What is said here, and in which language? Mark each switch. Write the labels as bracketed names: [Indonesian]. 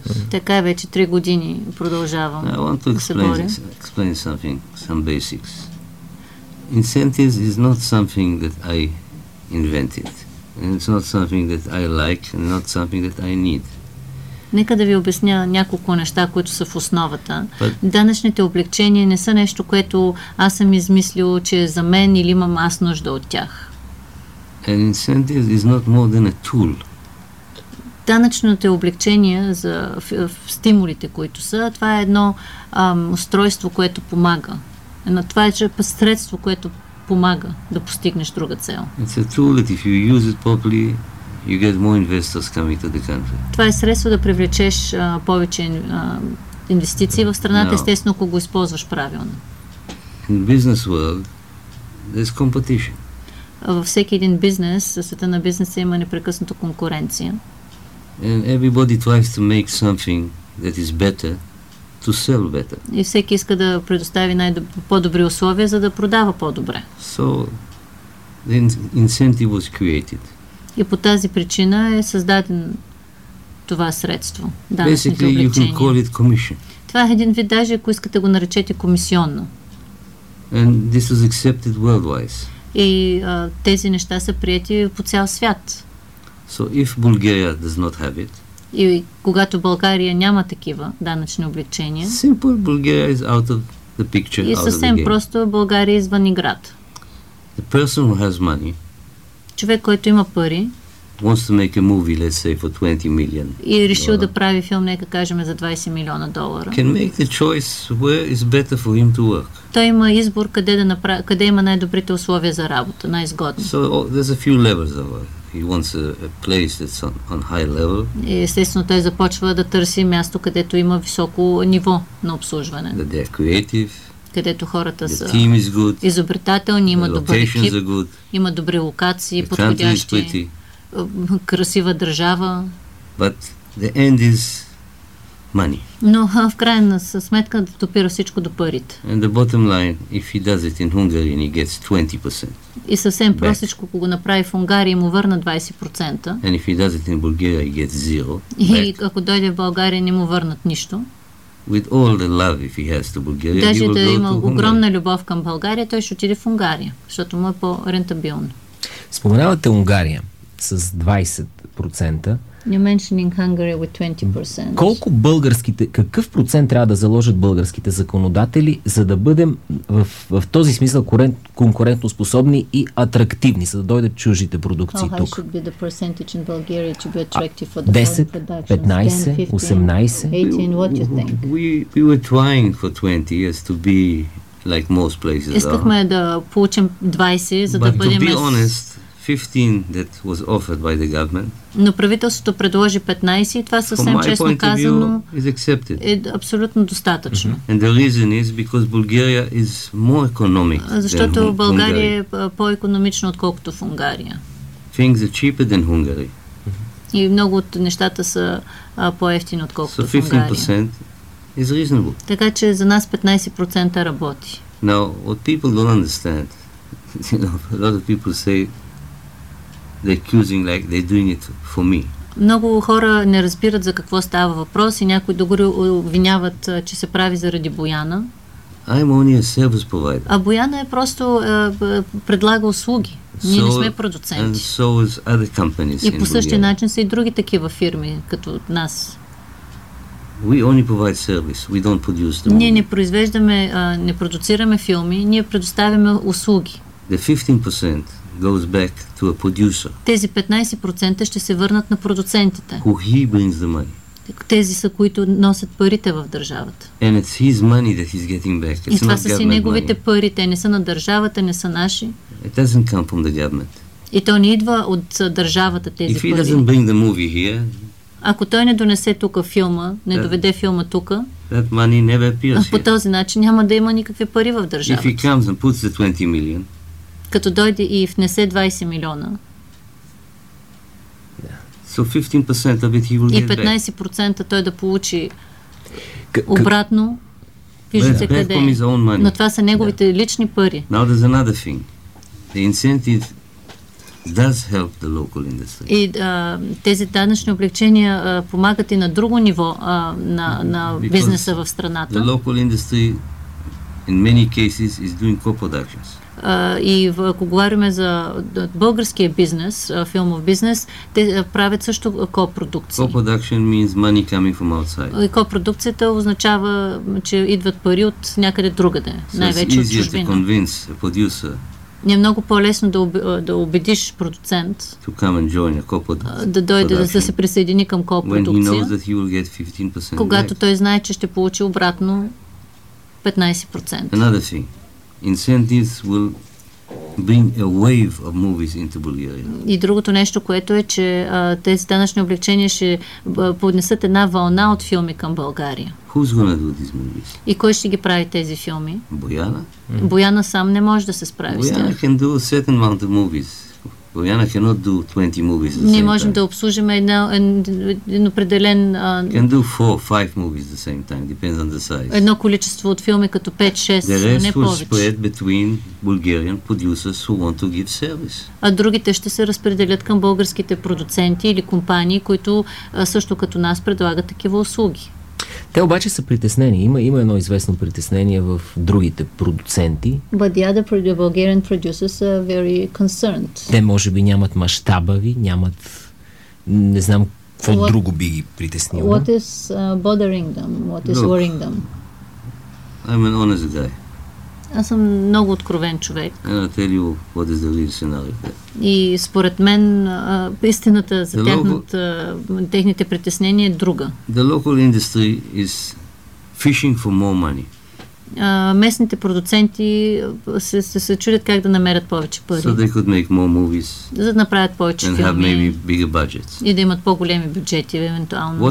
[Bulgarian] Така е вече 3 години продължавам. [English] I want to explain something, some basics. Incentives is not something that I invented. And it's not something that I like, and not something that I need. [Bulgarian] Нека да ви обясня няколко неща, които са в основата. Данъчните облекчения не са нещо, което аз съм измислил, че е за мен или имам аз нужда от тях. [English] An incentive is not more than a tool. [Bulgarian] Данъчните облекчения за стимулите, които са, това е едно устройство, което помага. Това е средство, което помага да постигнеш друга цел. [English] It's a tool that if you use it properly, you get more investors coming to the country. [Bulgarian] Това е средство да привлечеш повече инвестиции в страната, естествено, ако го използваш правилно. [English] In business world, there's competition. [Bulgarian] Във всеки един бизнес, в света на бизнеса има непрекъснато конкуренция. [English] And everybody tries to make something that is better to sell better. [Bulgarian] И всеки иска да предостави по-добри условия, за да продава по-добре. [English] So, the incentive was created. [Bulgarian] И по тази причина е създаден това средство. [English] Basically, you can call it commission. [Bulgarian] Това е един вид, даже ако искате го наречете комисионно. [English] And this was accepted worldwide. [Bulgarian] И тези неща са приети по цял свят. [English] So, if Bulgaria does not have it, [Bulgarian] и когато България няма такива данъчни облекчения, [English] simple, Bulgaria is out of the picture, [Bulgarian] и съвсем просто България извън играта. [English] The person who has money, [Bulgarian] човек, който има пари, [English] wants to make a movie, let's say, for 20 million, [Bulgarian] и е решил да прави филм, нека кажем, за 20 милиона долара, [English] can make the choice where is better for him to work. [Bulgarian] Той има избор къде да направи, къде има най-добрите условия за работа, най-изгодно. [English] So, there's a few levels of work. He wants a place that's on high level. [Bulgarian] И естествено той започва да търси място, където има високо ниво на обслужване. [English] That they are creative. [Bulgarian] Където хората са [English] team is good, [Bulgarian] изобретателни, има добър екип, [English] good, [Bulgarian] има добри локации, подходящи, красива държава. [English] But the end is money. [Bulgarian] Но в крайна сметка допира всичко до парите. [English] And the bottom line, if he does it in Hungary and he gets 20%. [Bulgarian] И съвсем простичко, ако го направи в Унгария и му върна 20%. [English] And if he does it in Bulgaria, he gets zero. [Bulgarian] И ако дойде в България, не му върнат нищо. [English] with all the love if he has to Bulgaria. [Bulgarian] Даже да има огромна любов към България, той ще отиде в Унгария, защото му е по-рентабилно. Споменавате Унгария с 20%. [English] You're mentioning Hungary with 20%. [Bulgarian] Колко българските, какъв процент трябва да заложат българските законодатели, за да бъдем в този смисъл конкурентно способни и атрактивни, за да дойдат чужите продукции [English] how [Bulgarian] тук? [English] How should be the percentage in Bulgaria to be attractive for the 10, foreign production? 10, 15, 18? 18, what do you think? We were trying for 20 years to be like most places. [Bulgarian] Искахме да получим 20, за да бъдем... [English] But to be honest, 15 that was offered by the government. [Bulgarian] Но правителството предложи 15 и това съвсем честно казано е абсолютно достатъчно. [English] And the reason is because Bulgaria is more economic than Hungary. [Bulgarian] Защото България е по-економична отколкото в Унгария. [English] Things are cheaper than Hungary. [Bulgarian] И много от нещата са по-евтини отколкото в Унгария. [English] So 15% is reasonable. [Bulgarian] Така че за нас 15% работи. [English] Now, what people don't understand, you know, a lot of people say they're accusing like they're doing it for me. [Bulgarian] Много хора не разбират за какво става въпрос и някои дори обвиняват, че се прави заради Бояна. [English] I'm only a service provider. [Bulgarian] А Бояна е просто предлага услуги. Ние не сме продуценти. [English] And so is other companies. [Bulgarian] И по същия начин са и други такива фирми, като нас. [English] We only provide service. We don't produce the movie. [Bulgarian] Ние не произвеждаме, не продуцираме филми, ние предоставяме услуги. [English] The 15% goes back to a producer. [Bulgarian] Тези 15% ще се върнат на продуцентите. [English] Who he brings the money. [Bulgarian] Тези са, които носят парите в държавата. [English] And it's his money that he's getting back. It's [Bulgarian] и това са си неговите [English] money. [Bulgarian] Пари. Те не са на държавата, не са наши. [English] It doesn't come from the government. [Bulgarian] И то не идва от държавата тези [English] If [Bulgarian] пари. [English] If he doesn't bring the movie here, [Bulgarian] ако той не донесе тука филма, не [English] that, [Bulgarian] доведе филма тука, [English] that money never appears here. [Bulgarian] По този начин няма да има никакви пари в държавата. [English] If he comes and puts the 20 million, [Bulgarian] като дойде и внесе 20 милиона. [English] Yeah. So 15% of it he will [Bulgarian] и 15% той да получи обратно. Виждате къде е. Но това са неговите лични пари. [English] Now there's another thing. The incentive does help the local industry. [Bulgarian] И тези данъчни облегчения помагат и на друго ниво на бизнеса в страната. [English] The local industry in many cases is doing co-productions. [Bulgarian] И ако говорим за българския бизнес, филмов бизнес, те правят също ко-продукции. [English] Co-production means money coming from outside. [Bulgarian] И ко-продукцията означава, че идват пари от някъде другаде, най-вече от чужбина. [English] So it's easier to convince a producer. [Bulgarian] Не е много по-лесно да убедиш продуцент [English] to come and join a [Bulgarian] да дойде да се присъедини към ко-продукция, когато той знае, че ще получи обратно 15%. [English] Another thing. Incentives will bring a wave of movies into Bulgaria. [Bulgarian] И другото нещо, което е, че тези данъчни облегчения ще поднесат една вълна от филми към България. [English] Who's gonna do these movies? [Bulgarian] И кой ще ги прави тези филми? Бояна. Mm-hmm. Бояна сам не може да се справи с тях. [English] Бояна can do a certain amount of movies. Бояна cannot do 20 movies. [Bulgarian] Не можем да обслужим един определен... [English] Can do 4-5 movies the same time, depends on the size. [Bulgarian] Едно количество от филми като 5-6, не повече. [English] The rest will spread between Bulgarian producers who want to give service. [Bulgarian] А другите ще се разпределят към българските продуценти или компании, които също като нас предлагат такива услуги. Те обаче са притеснени. Има едно известно притеснение в другите продуценти. [English] But the other Bulgarian producers are very concerned. [Bulgarian] Те може би нямат мащаба ви, нямат... Не знам какво друго би ги притеснило. [English] What is bothering them? What is Look, worrying them? I'm an honest guy. [Bulgarian] Аз съм много откровен човек. [English] And I tell you what is the real scenario. [Bulgarian] И според мен истината за техните притеснения е друга. [English] The local industry is fishing for more money. [Bulgarian] Местните продуценти се чудят как да намерят повече пари. [English] So they could make more movies. [Bulgarian] За да направят повече [English] and [Bulgarian] филми. [English] And have maybe bigger budgets. [Bulgarian] И да имат по-големи бюджети евентуално.